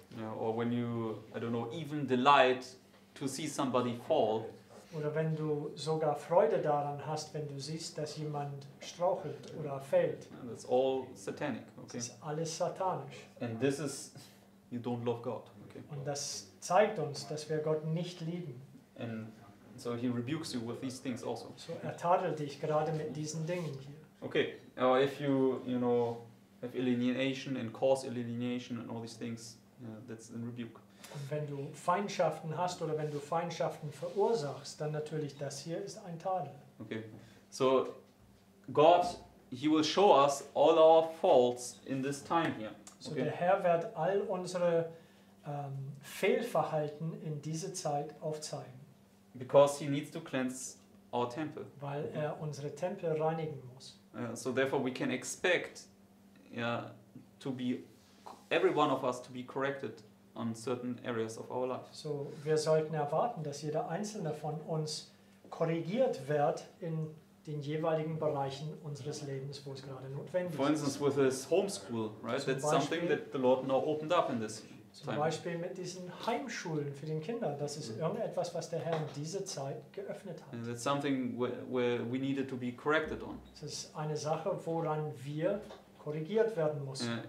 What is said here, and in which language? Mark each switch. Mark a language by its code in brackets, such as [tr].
[en] Yeah, or when you, I don't know, even delight to see somebody fall. [de] Oder wenn du sogar Freude daran hast, wenn du siehst, dass jemand strauchelt oder fällt. [en] And that's all satanic. Okay. [de] Das ist alles satanisch. [en] And this is, you don't love God. Okay. [de] Und das zeigt uns, dass wir Gott nicht lieben. [en] And so he rebukes you with these things also. [de] So er tadelt dich gerade mit diesen Dingen hier. [en] Okay, or if you, you know, have alienation and cause alienation and all these things, yeah, that's a rebuke. [de] Und wenn du Feindschaften hast oder wenn du Feindschaften verursachst, dann natürlich das hier ist ein Tadel. [en] Okay, so God, he will show us all our faults in this time here. [de] So der Herr wird all unsere Fehlverhalten in diese Zeit aufzeigen. [en] Because he needs to cleanse our temple. [de] Weil er unsere Tempel reinigen muss. [en] So therefore we can expect, yeah, to be every one of us to be corrected on certain areas of our life. [de] So wir sollten erwarten, dass jeder einzelne von uns korrigiert wird in den jeweiligen Bereichen unseres Lebens, wo es gerade notwendig ist. [en] For instance, with his homeschool, right? [de] Zum [en] That's something that the Lord now opened up in this. [de] Zum Beispiel mit diesen Heimschulen für den Kinder. Das ist irgendetwas, was der Herr in dieser Zeit geöffnet hat. [en] And that's something where we needed to be corrected on. [de] Das ist eine Sache, woran wir korrigiert werden müssen.